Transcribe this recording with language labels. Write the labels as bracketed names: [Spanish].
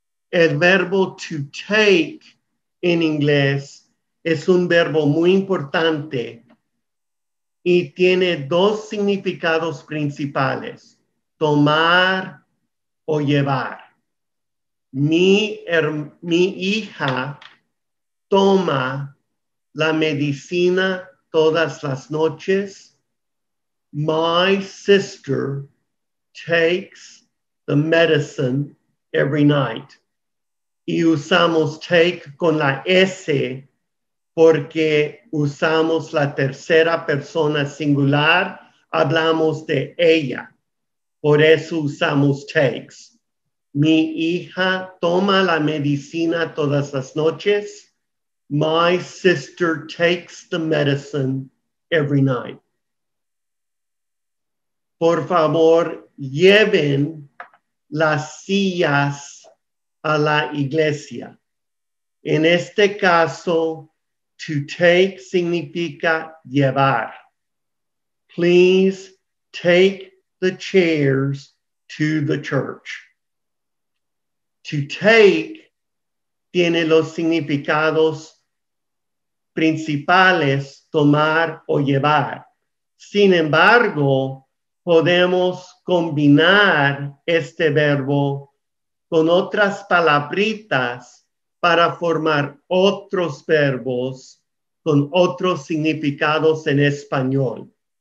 [Spanish] El verbo to take en inglés es un verbo muy importante y tiene dos significados principales: tomar o llevar. Mi hija toma la medicina todas las noches. [English] My sister takes the medicine every night. [Spanish] Y usamos take con la S porque usamos la tercera persona singular. Hablamos de ella. Por eso usamos takes. Mi hija toma la medicina todas las noches. [English] My sister takes the medicine every night. [Spanish] Por favor, lleven las sillas a la iglesia. En este caso, to take significa llevar. [English] Please take the chairs to the church. [Spanish] To take tiene los significados principales, tomar o llevar. Sin embargo, podemos combinar este verbo con otras palabritas para formar otros verbos con otros significados en español.